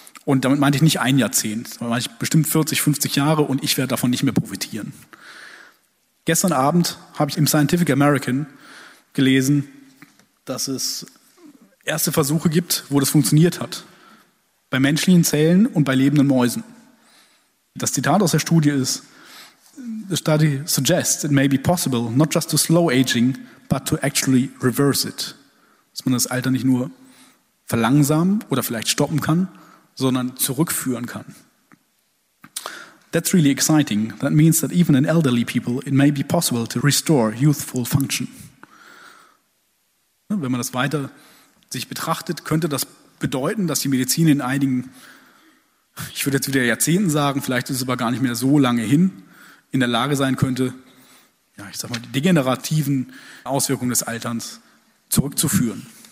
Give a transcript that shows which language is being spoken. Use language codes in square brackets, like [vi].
[de] Und damit meinte ich nicht ein Jahrzehnt, sondern meinte ich bestimmt 40, 50 Jahre und ich werde davon nicht mehr profitieren. Gestern Abend habe ich im Scientific American gelesen, dass es erste Versuche gibt, wo das funktioniert hat. Bei menschlichen Zellen und bei lebenden Mäusen. Das Zitat aus der Studie ist: [en] "The study suggests it may be possible not just to slow aging, but to actually reverse it." [de] Dass man das Alter nicht nur verlangsamen oder vielleicht stoppen kann, sondern zurückführen kann. [en] "That's really exciting. That means that even in elderly people it may be possible to restore youthful function." [de] Wenn man das weiter sich betrachtet, könnte das bedeuten, dass die Medizin in einigen, ich würde jetzt wieder Jahrzehnten sagen, vielleicht ist es aber gar nicht mehr so lange hin, in der Lage sein könnte, ja, ich sag mal, die degenerativen Auswirkungen des Alterns zurückzuführen.